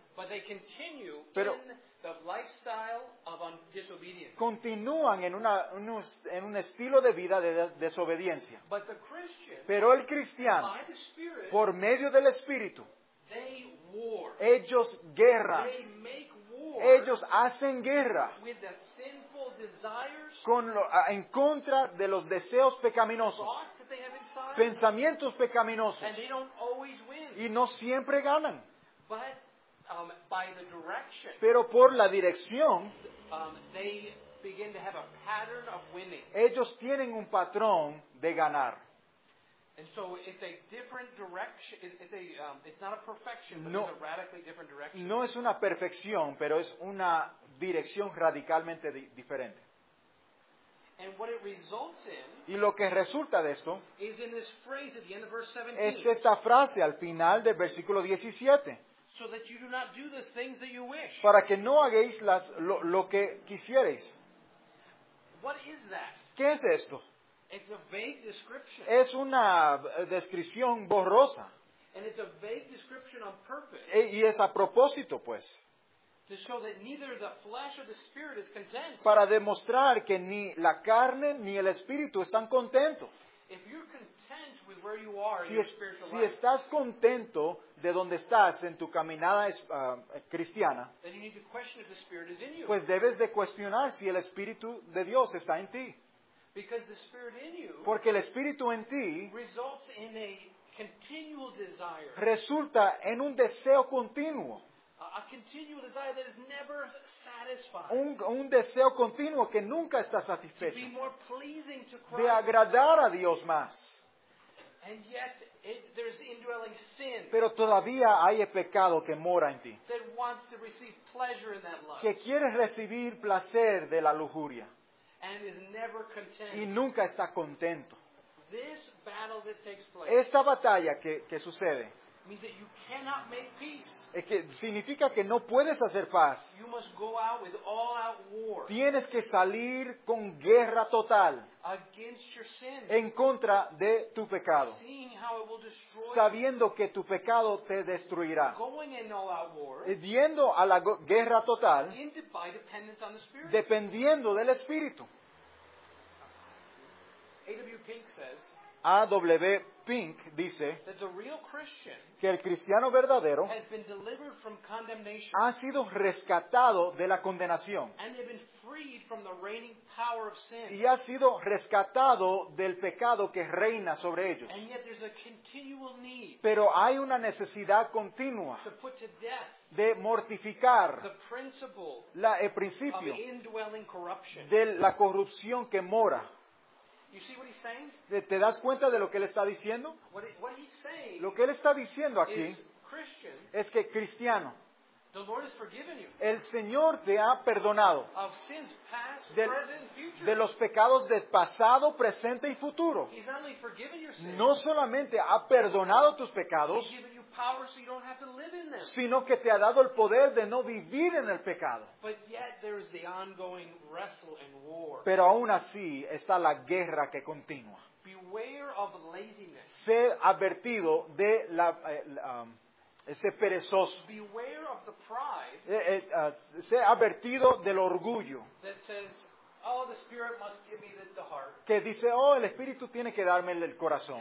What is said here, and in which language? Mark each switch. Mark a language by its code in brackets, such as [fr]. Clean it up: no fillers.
[en] But they continue Pero in the lifestyle of disobedience. [es] Continúan en un estilo de vida de desobediencia. [en] But the Christian, [es] pero el cristiano, [en] by the Spirit, [es] por medio del Espíritu, [en] they war. [es] Ellos guerran. [en] They make war. [es] Ellos hacen guerra. [en] With the sinful desires, [es] en contra de los deseos pecaminosos. Pensamientos pecaminosos. [en] And they don't always win. [es] Y no siempre ganan. [en] But, by the direction, [es] pero por la dirección, [en] they begin to have a pattern of winning. [es] Ellos tienen un patrón de ganar. [en] And so it's a different direction. It's not a perfection, but no, it's a radically different direction. [es] No es una perfección, pero es una dirección radicalmente diferente. [en] And what it results in, [es] y lo que resulta de esto, [en] is in this phrase at the end of verse 17, [es] es esta frase al final del versículo 17, [en] so that you do not do the things that you wish, [es] para que no hagáis lo que quisierais. [en] What is that? [es] ¿Qué es esto? [en] It's a vague description. [es] Es una descripción borrosa. [en] And it's a vague description on purpose. [es] Y es a propósito, pues. [en] To show that neither the flesh or the spirit is content. [es] Para demostrar que ni la carne ni el espíritu están contentos. [en] If you're content with where you are [es] si [en] in your spiritual [es] life, estás contento de donde estás en tu caminada cristiana, [en] then you need to question if the spirit is in you. [es] Pues debes de cuestionar si el espíritu de Dios está en ti. [en] Because the spirit in you, [es] porque el espíritu en ti, [en] results in a continual desire. [es] Resulta en un deseo continuo. [en] A continual desire that is never satisfied. [es] Un deseo continuo que nunca está satisfecho. [en] To be more pleasing to Christ. [es] De agradar a Dios más. [en] And yet there's indwelling sin. [es] Pero todavía hay el pecado que mora en ti. [en] That wants to receive pleasure in that lust. [es] Que quiere recibir placer de la lujuria. [en] And is never content. [es] Y nunca está contento. [en] This battle that takes place. [es] Esta batalla que sucede. [en] Means that you cannot make peace. [es] Es que significa que no puedes hacer paz. [en] You must go out with all out war. [es] Tienes que salir con guerra total. [en] Against your sin. [es] En contra de tu pecado. [en] Seeing how it will destroy. [es] Sabiendo que tu pecado te destruirá. [en] Going in all out war. [es] Yendo a la guerra total. [en] By dependence on the Spirit. [es] Dependiendo del Espíritu. [en] A.W. Pink says. [es] A.W. Pink dice [en] that the real Christian [es] que el cristiano verdadero [en] has been delivered from condemnation, [es] ha sido rescatado de la condenación [en] and they've been freed from the reigning power of sin. [es] Y ha sido rescatado del pecado que reina sobre ellos. [en] And yet there's a continual need. [es] Pero hay una necesidad continua [en] to put to death [es] de mortificar [en] the principle [es] el principio [en] of indwelling corruption. [es] De la corrupción que mora. [en] You see what he's saying? [es] ¿Te das cuenta de lo que él está diciendo? [en] What he's saying, [es] lo que él está diciendo aquí es que cristiano, [en] the Lord has forgiven you. [es] El Señor te ha perdonado [en] of sins past, present, future. [es] De los pecados del pasado, presente y futuro. [en] He's not only forgiven your sins, [es] no solamente ha perdonado tus pecados, [en] he's given you power so you don't have to live in them. [es] Sino que te ha dado el poder de no vivir en el pecado. [en] But yet there's the ongoing wrestle and war. [es] Pero aún así está la guerra que continúa. [en] Beware of laziness. [es] Sé advertido de la... ese perezoso. [en] Beware of the pride [es] sé advertido del orgullo. [en] That says, oh, the Spirit must give me the heart. [es] Que dice, oh, el Espíritu tiene que darme el corazón.